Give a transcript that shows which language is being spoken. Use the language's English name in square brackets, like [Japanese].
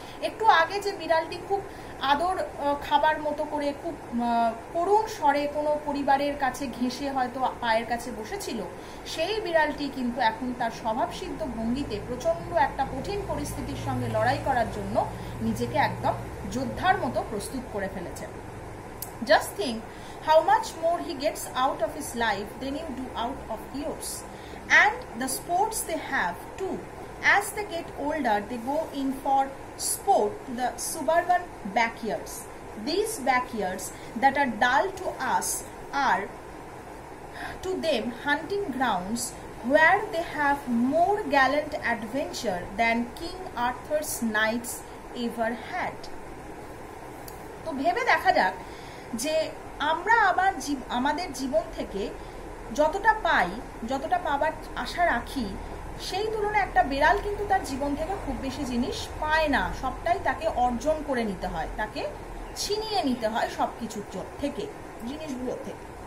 [Bangla] একটু আগে যে বিড়ালটি খুব আদর খাবার মতো করে খুব করুণ স্বরে কোনো পরিবারের কাছে ঘেঁষে হয়তো পায়ের কাছে বসেছিল, সেই বিড়ালটি কিন্তু এখন তার স্বভাবসিদ্ধ ভঙ্গিতে প্রচণ্ড একটা কঠিন পরিস্থিতির সঙ্গে লড়াই করার জন্য নিজেকে একদম যোদ্ধার মতো প্রস্তুত করে ফেলেছে। [English] Just think how much more he gets out of his life than you do out of yours, and the sports they have to, as they get older they go in for sport to the suburban backyards. These backyards that are dull to us are to them hunting grounds where they have more gallant adventure than King Arthur's knights ever had. [Bangla] To ভেবে দেখা যাক যে আমরা আবার আমাদের জীবন থেকে যতটা পাই, যতটা পাবার আশা রাখি, সেই তুলনায় একটা বিড়াল কিন্তু তার জীবন থেকে খুব বেশি জিনিস পায় না, সবটাই তাকে অর্জন করে নিতে হয়, তাকে ছিনিয়ে নিতে হয় সব কিছু থেকে, জিনিসগুলো থেকে,